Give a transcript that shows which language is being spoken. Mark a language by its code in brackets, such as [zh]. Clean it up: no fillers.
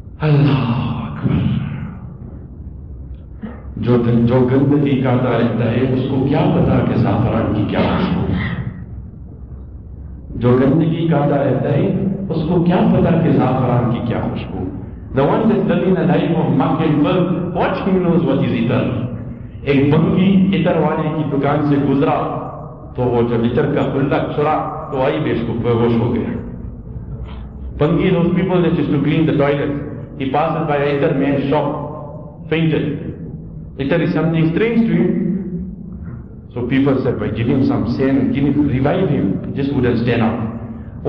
[ur] اللہ اکبر. جو گندگی کرتا رہتا ہے اس کو کیا پتا کہ زعفران کی کیا خوشبو ہے. جو گندگی کاتا رہتا ہے اس کو کیا پتا کہ زعفران کی کیا خوشبو. [en] The one that's living a life of muck and filth, what he knows what is itar. [ur] ایک بھنگی اتر والے کی دکان سے گزرا تو وہ جب اتر کا کلک چھڑا تو آئی بے ہوش ہو گیا. [en] بھنگی those people that used to clean the toilets, he passed by [ur] Uttar میں [en] shock, fainted. اتر is something strange to him. So people said, by give him some sand, give him, revive him, just wouldn't stand up.